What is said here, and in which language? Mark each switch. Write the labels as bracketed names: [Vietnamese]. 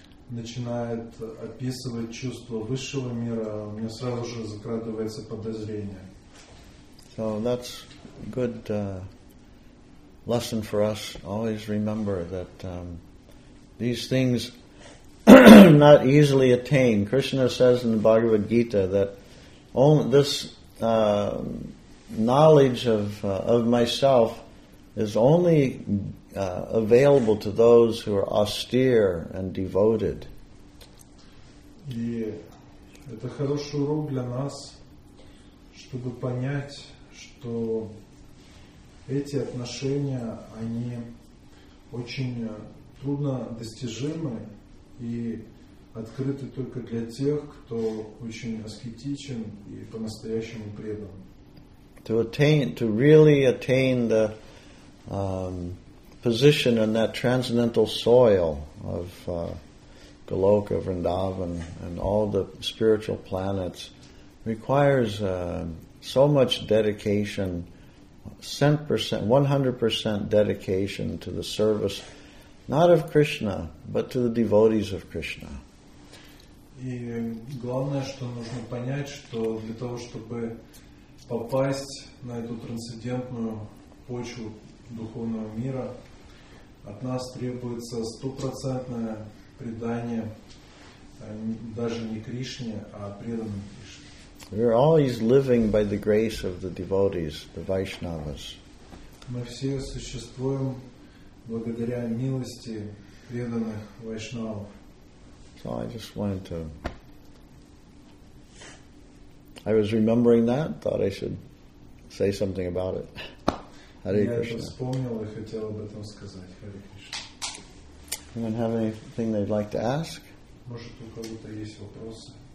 [Russian] Начинает описывать чувство высшего мира, у меня сразу же закрадывается подозрение. [English] So that's good lesson for us. Always remember that these things not easily attained. Krishna says in the Bhagavad Gita that only this knowledge of myself is only available to those who are austere and devoted. [Russian] И это хороший урок для нас, чтобы понять, что эти отношения, они очень трудно достижимы и открыты только для тех, кто очень аскетичен и по-настоящему предан. [English] To really attain the position on that transcendental soil of Goloka, Vrindavan, and all the spiritual planets requires so much dedication, 100% 100% dedication to the service, not of Krishna, but to the devotees of Krishna. [Russian] И главное, что нужно понять, что для того, чтобы попасть на эту трансцендентную почву духовного мира, от нас требуется 100% предание даже не Кришне, а преданным Кришне. [English] We're always living by the grace of the devotees, the Vaishnavas. [Russian] Мы все существуем благодаря милости преданных Вайшнавов. [English] So I just wanted to... I was remembering that, thought I should say something about it. [Sanskrit] Hare Krishna. [Russian] Я это вспомнил и хотел об этом сказать. [Sanskrit] Hare Krishna. [English] Anyone have anything they'd like to ask? [Russian] Может, у кого-то есть вопросы?